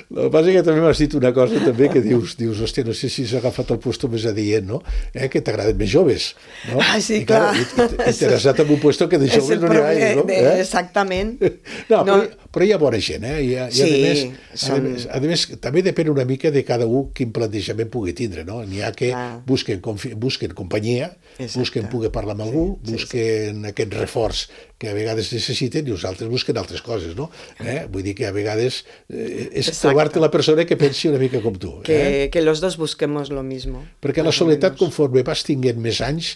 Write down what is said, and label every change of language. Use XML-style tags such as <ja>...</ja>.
<ca>Lo que pasa es que també m'has dit una cosa també que dius, hòstia, no sé si has agafat el puesto més adient, no? Que t'agraden més joves, no? Ah, sí, I clar. Interessat en un puesto que de joves no n'hi hagi, no? Exactament. No, no. Però hi ha bona gent, eh? I sí, a més, també depèn una mica de cada un quin plantejament pugui tindre, no? N'hi ha que busquen companyia, exacte, busquen poder parlar amb algú, sí, busquen sí. Aquest reforç que a vegades necessiten i nosaltres busquen altres coses, no? Vull dir que a vegades és trobar-te la persona que pensi una mica com tu.</ca> <es>Que los dos busquemos lo mismo.</es> <ca>Perquè la soledat, conforme vas tinguent més anys,</ca>